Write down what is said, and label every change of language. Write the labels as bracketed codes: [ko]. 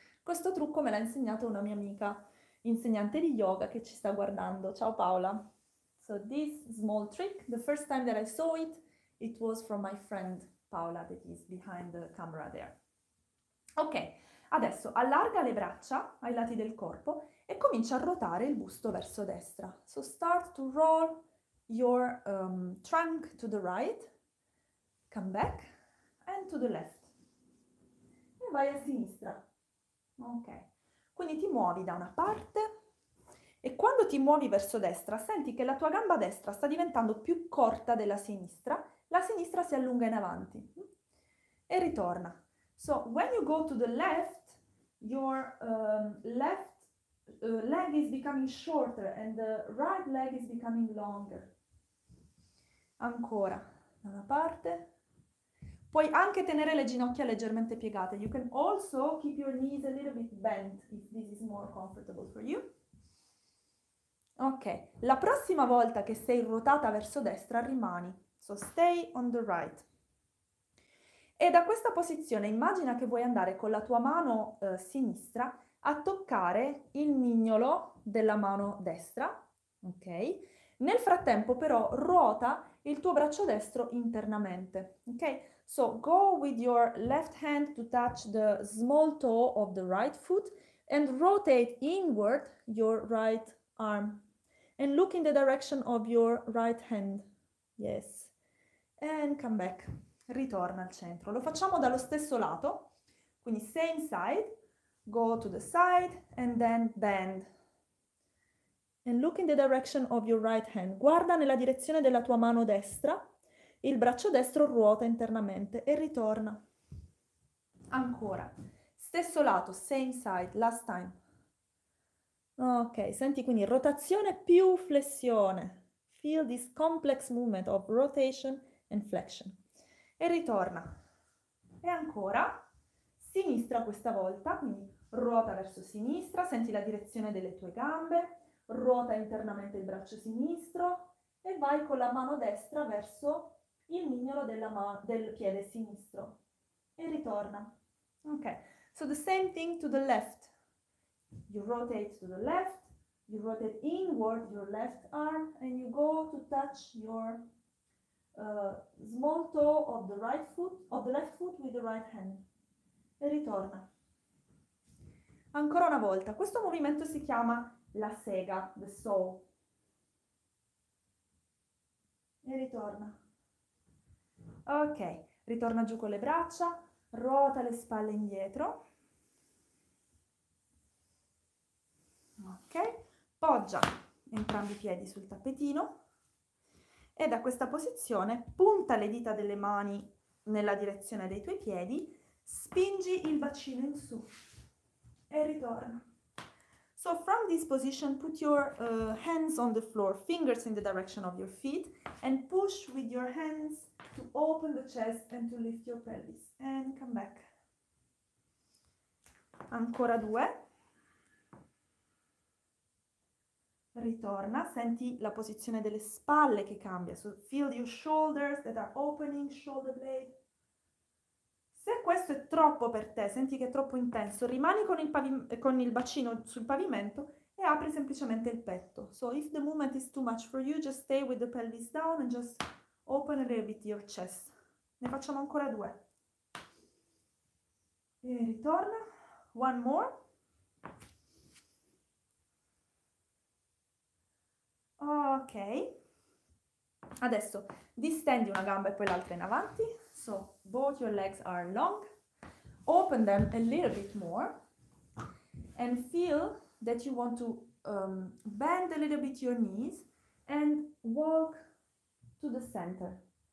[it] Questo trucco me l'ha insegnato una mia amica, insegnante di yoga che ci sta guardando. Ciao Paola. [en] So this small trick, the first time that I saw it was from my friend Paola that is behind the camera there. [it] Ok, adesso allarga le braccia ai lati del corpo e comincia a ruotare il busto verso destra. [en] So start to roll your trunk to the right, come back and to the left. [it] E vai a sinistra. Ok, quindi ti muovi da una parte e quando ti muovi verso destra, senti che la tua gamba destra sta diventando più corta della sinistra. La sinistra si allunga in avanti e ritorna. [en] So, when you go to the left, your left leg is becoming shorter and the right leg is becoming longer. [it] Ancora, da una parte. Puoi anche tenere le ginocchia leggermente piegate. [en] You can also keep your knees a little bit bent if this is more comfortable for you. [it] Ok, la prossima volta che sei ruotata verso destra, rimani. [en] So stay on the right. [it] E da questa posizione immagina che vuoi andare con la tua mano sinistra a toccare il mignolo della mano destra, ok? Nel frattempo però ruota il tuo braccio destro internamente, ok? [en] So go with your left hand to touch the small toe of the right foot and rotate inward your right arm and look in the direction of your right hand. Yes. And come back, [it] ritorna al centro. Lo facciamo dallo stesso lato, quindi [en] same side, go to the side and then bend. And look in the direction of your right hand. [it] Guarda nella direzione della tua mano destra, il braccio destro ruota internamente e ritorna. Ancora, stesso lato, [en] same side, last time. [it] Ok, senti quindi rotazione più flessione. [en] Feel this complex movement of rotation. Inflection. [it] E ritorna. E ancora sinistra questa volta, quindi ruota verso sinistra, senti la direzione delle tue gambe, ruota internamente il braccio sinistro e vai con la mano destra verso il mignolo del piede sinistro. E ritorna. [en] Ok, so the same thing to the left. You rotate to the left, you rotate inward your left arm and you go to touch your small toe of the right foot, of the left foot with the right hand. [it] E ritorna. Ancora una volta, questo movimento si chiama la sega, [en] the saw. [it] E ritorna. Ok, ritorna giù con le braccia, ruota le spalle indietro. Ok, poggia entrambi i piedi sul tappetino e da questa posizione punta le dita delle mani nella direzione dei tuoi piedi, spingi il bacino in su e ritorna. [en] So from this position, put your hands on the floor, fingers in the direction of your feet, and push with your hands to open the chest and to lift your pelvis. And come back. [it] Ancora due. Ritorna, senti la posizione delle spalle che cambia. [en] So feel your shoulders that are opening, shoulder blade. [it] Se questo è troppo per te, senti che è troppo intenso, rimani con il bacino sul pavimento e apri semplicemente il petto. [en] So if the movement is too much for you, just stay with the pelvis down and just open a little bit your chest. [it] Ne facciamo ancora due. E ritorna. [en] One more. Ok. [it] Adesso distendi una gamba e poi l'altra in avanti. [en] So, both your legs are long. Open them a little bit more and feel that you want to bend a little bit your knees and walk to the center.